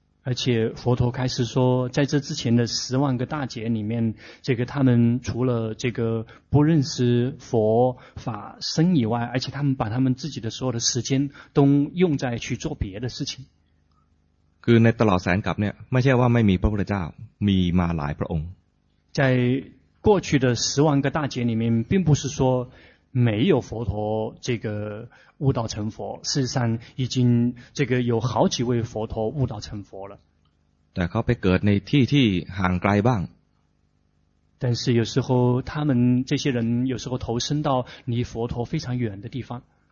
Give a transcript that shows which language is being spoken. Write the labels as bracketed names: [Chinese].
[Chinese] 而且佛陀开始说在这之前的十万个大劫里面这个他们除了这个不认识佛法僧以外而且他们把他们自己的所有的时间都用在去做别的事情 [Thai] คือในตลอดแสนกับเนี่ยไม่ใช่ว่าไม่มีพระพุทธเจ้ามีมาหลายพระองค์ [Chinese] 在过去的十万个大劫里面并不是说没有佛陀这个悟道成佛事实上已经这个有好几位佛陀悟道成佛了但是有时候他们这些人有时候投身到离佛陀非常远的地方